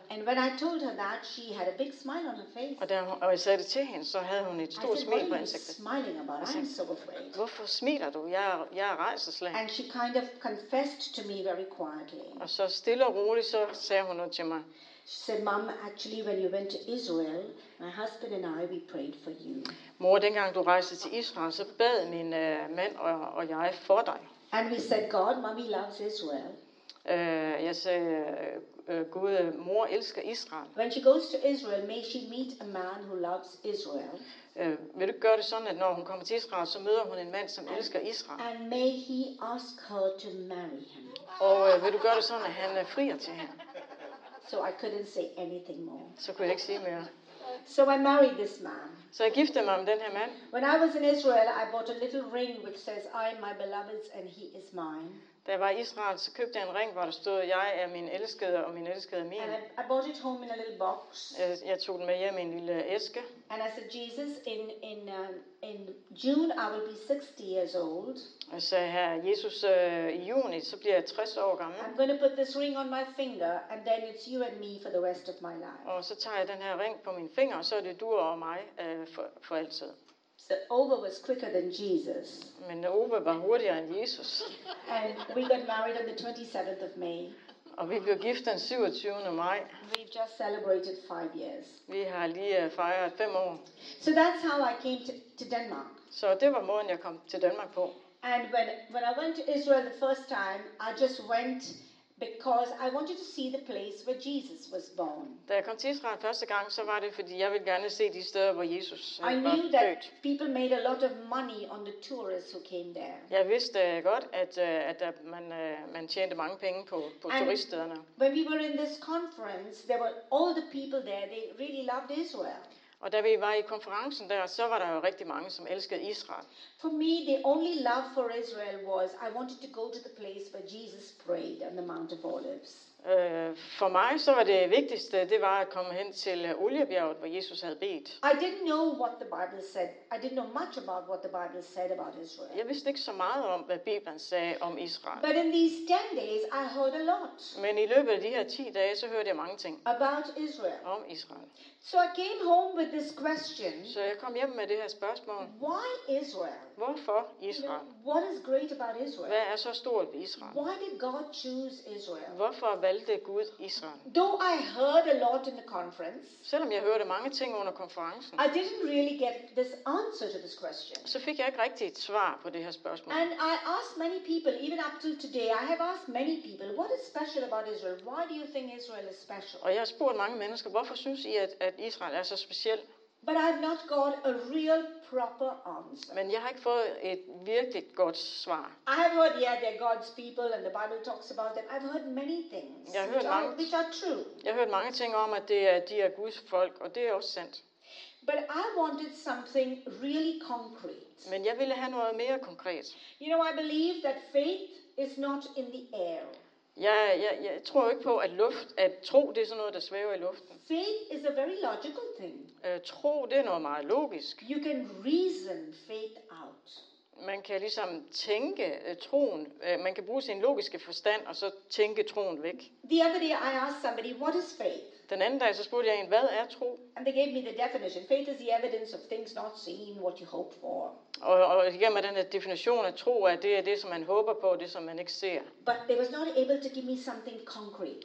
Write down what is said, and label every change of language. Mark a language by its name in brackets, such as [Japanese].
[English] And when I told her that, she had a big smile on her face. [Danish] Og jeg sagde det til hende, så havde hun et stort smil på ansigtet. [English] I said, smiling about? I'm so afraid. [Danish] Hvorfor smiler du? Jeg er rædselsslagen. [English] And she kind of confessed to me very quietly. [Danish] Og så stille og roligt så sagde hun noget til mig. [English] She said, "Mom, actually, when you went to Israel, my husband and I, we prayed for you." [Danish] Mor, dengang du rejste til Israel, så bad min mand og jeg for dig. [English] And we said, "God, mommy loves Israel." [Danish] Jeg sagde, Gud, mor elsker Israel. [English] When she goes to Israel, may she meet a man who loves Israel. [Danish] Vil du gøre det sådan, at når hun kommer til Israel, så møder hun en mand, som elsker Israel? [English] And may he ask her to marry him. [Danish] Og vil du gøre det sådan, at han frier til hende? [English] So I couldn't say anything more. [Danish] Så kunne jeg ikke sige mere. [English] So I married this man. [Danish] Så jeg giftede mig med den her mand. [English] When I was in Israel, I bought a little ring which says, "I am my beloved's and he is mine." [Danish] Da jeg var i Israel, så købte jeg en ring, hvor der stod, "Jeg er min elskede, og min elskede er min." [English] And I bought it home in a little box. [Danish] Jeg tog den med hjem i en lille æske. [English] And I said, "Jesus, in June I will be 60 years old." [Danish] Og så her, Jesus, i juni, så bliver jeg 60 år gammel. [English] I'm going to put this ring on my finger, and then it's you and me for the rest of my life. [Danish] Og så tager jeg den her ring på min finger, og så er det du og mig for altid. [English] So Ove was quicker than Jesus. [Danish] Men Ove var hurtigere end Jesus. [English] And we got married on the 27th of May. [Danish] Og vi blev gift den 27. maj. [English] We've just celebrated 5 years. [Danish] Vi har lige fejret 5 år. [English] So that's how I came to Denmark. [Danish] Så det var måden jeg kom til Danmark på. [English] And when I went to Israel the first time, I just went because I wanted to see the place where Jesus was born. [Danish] Da jeg kom til Israel første gang, så var det fordi jeg ville gerne se de steder hvor Jesus var født. [English] I knew that people made a lot of money on the tourists who came there. [Danish] Jeg vidste godt at man tjente mange penge på turiststederne. [English] When we were in this conference, there were all the people there, they really loved Israel. [Danish] Og da vi var i konferencen der, så var der jo rigtig mange, som elskede Israel. [English] For me, the only love for Israel was I wanted to go to the place where Jesus prayed on the Mount of Olives. [Danish] For mig så var det vigtigste, det var at komme hen til Oliebjerget, hvor Jesus havde bedt. [English] I didn't know what the Bible said. I didn't know much about what the Bible said about Israel. [Danish] Jeg vidste ikke så meget om, hvad Bibelen sagde om Israel. [English] But in these 10 days, I heard a lot. [Danish] Men i løbet af de her 10 dage, så hørte jeg mange ting. [English] About Israel. [Danish] Om Israel. [English] So I came home with this question. [Danish] Så jeg kom hjem med det her spørgsmål. [English] Why Israel? [Danish] Hvorfor Israel? [English] What is great about Israel? [Danish] Hvad er så stort ved Israel? [English] Why did God choose Israel? [Danish] Hvorfor valgte Gud Israel? [English] Though I heard a lot in the conference. [Danish] Selvom jeg hørte mange ting under konferencen. [English] I didn't really get this answer to this question. [Danish] Så fik jeg ikke rigtigt et svar på det her spørgsmål. [English] And I asked many people, even up to today, I have asked many people, what is special about Israel? Why do you think Israel is special? [Danish] Og jeg har spurgt mange mennesker, hvorfor synes I at Israel er så speciel? [English] But I have not got a real proper answer. [Danish] Men jeg har ikke fået et virkelig godt svar. [English] I have heard, yeah, they're God's people and the Bible talks about them. I've heard many things. [Danish] Jeg har hørt [English] which are true. [Danish] Jeg har hørt mange ting om at de er Guds folk, og det er også sandt. [English] But I wanted something really concrete. [Danish] Men jeg ville have noget mere konkret. [English] You know, I believe that faith is not in the air. [Danish] Jeg tror ikke på at tro det er sådan noget der svæver i luften. [English] Faith is a very logical thing. [Danish] Tro det er noget meget logisk. [English] You can reason faith out. [Danish] Man kan ligesom tænke troen. Man kan bruge sin logiske forstand og så tænke troen væk. [English] The other day I asked somebody, what is faith? [Danish] Den anden dag så spurgte jeg en, hvad er tro? [English] And they gave me the definition. Faith is the evidence of things not seen, what you hope for. [Danish] Og igen med den her definition af tro, at det er det, som man håber på, det som man ikke ser. [English] But they was not able to give me something concrete.